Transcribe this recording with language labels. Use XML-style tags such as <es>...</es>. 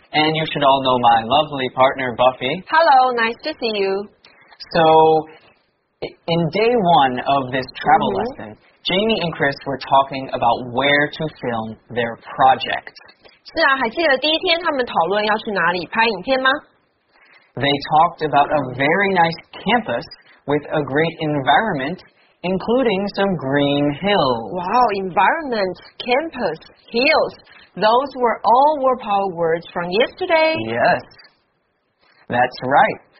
<en>And you should all know my lovely partner, Buffy. Hello, nice to see you. So, in day one of this travel lesson, Jamie and Chris were talking about where to film their project.</en> <zh>是啊，还记得第一天他们讨论要去哪里拍影片吗？</zh> <en>They talked about a very nice campus with a great environment, including some green hills. Wow, environment, campus, hills. Those were all Warpaw words from yesterday. Yes, that's right.</en>